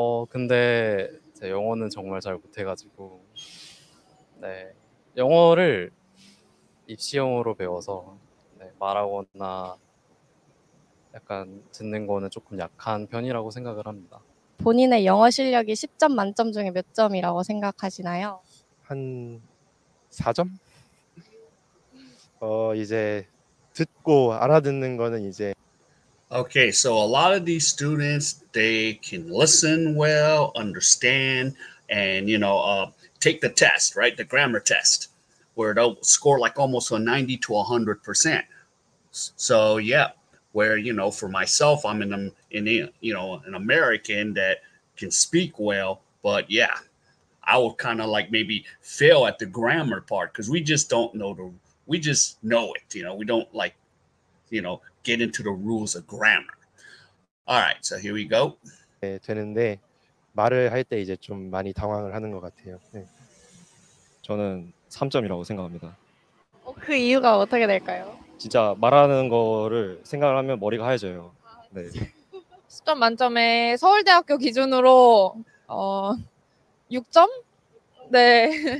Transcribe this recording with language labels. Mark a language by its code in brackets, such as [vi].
[ko] 근데 제 영어는 정말 잘 못해가지고 네, 영어를 입시용으로 배워서 네, 말하거나 약간 듣는 거는 조금 약한 편이라고 생각을 합니다. 본인의 영어 실력이 10점 만점 중에 몇 점이라고 생각하시나요? 한 4점? 이제 듣고 알아듣는 거는 이제 [en] Okay, so a lot of these students, they can listen well, understand, and, you know, take the test, right? The grammar test, where they'll score like almost a 90 to 100%. So, yeah, where, you know, for myself, I'm an American that can speak well, but yeah, I will kind of like maybe fail at the grammar part because we just don't know the, we just know it, you know, we don't like, you know, get into the rules of grammar. All right, so here we go. [ko] 네, 되는데 말을 할 때 이제 좀 많이 당황을 하는 것 같아요. 네. 저는 3점이라고 생각합니다. 그 이유가 어떻게 될까요? 진짜 말하는 거를 생각을 하면 머리가 하얘져요. 네. 10점 만점에 서울대학교 기준으로 6점? 네.